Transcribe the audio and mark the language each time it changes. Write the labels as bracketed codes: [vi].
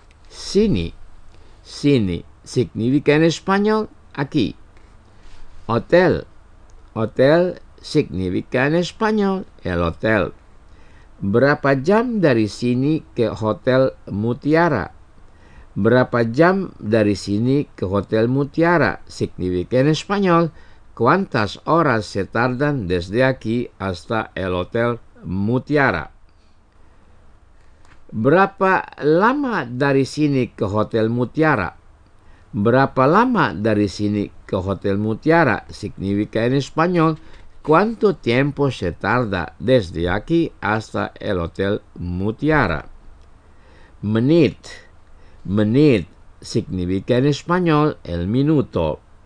[es] Sini, sini significa en español aquí. Hotel, hotel significa en español el hotel. [id] Berapa jam dari sini ke Hotel Mutiara. Berapa jam dari sini ke Hotel Mutiara [es] significa en español cuántas horas se tardan desde aquí hasta el Hotel Mutiara. [id] Berapa lama dari sini ke Hotel Mutiara. Berapa lama dari sini ke Hotel Mutiara [es] significa en español cuánto tiempo se tarda desde aquí hasta el Hotel Mutiara. Menit. Menit significa en español el minuto.